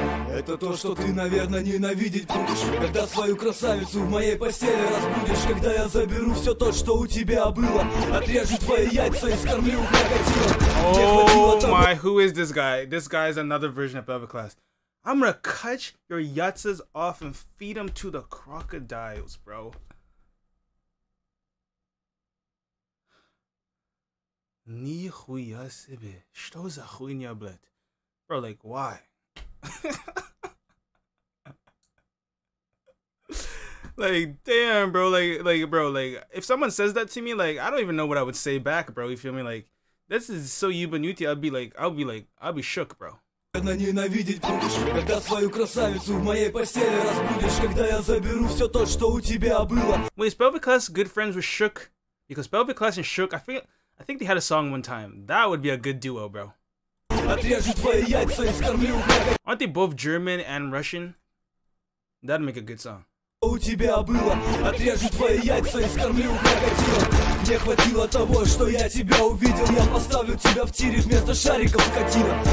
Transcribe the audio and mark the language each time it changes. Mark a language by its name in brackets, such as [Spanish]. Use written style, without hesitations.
[Russian] Это то, что ты, наверное, ненавидеть будешь, когда свою красавицу в моей постели разбудишь. Когда я заберу все то, что у тебя было, отрежу твои яйца и скормлю крокодила. [English] Oh my, who is this guy? This guy is another version of Velvet Class. I'm gonna cut your yatzas off and feed them to the crocodiles, bro. [Russian] Нихуя себе, что за хуйня, блядь? [English] Bro, like, why? Like, damn, bro. Like, if someone says that to me, like, I don't even know what I would say back, bro. You feel me? Like, this is so Yubanuti. I'd be shook, bro. [Russian] Ненавидеть будешь, когда свою красавицу в моей постели разбудишь, когда я заберу все то, что у тебя было. [English] Wait, is Velvet Class good friends with Shook? Because Velvet Class and Shook, I think they had a song one time. That would be a good duo, bro. [Russian] Отрежу твои яйца и скормлю. [English] Aren't they both German and Russian? That'd make a good song. [Russian] У тебя было. Отрежу твои яйца и скормлю крокодила. тебе хватило того, что я тебя увидел. Я поставлю тебя в тире вместо шариков скотина.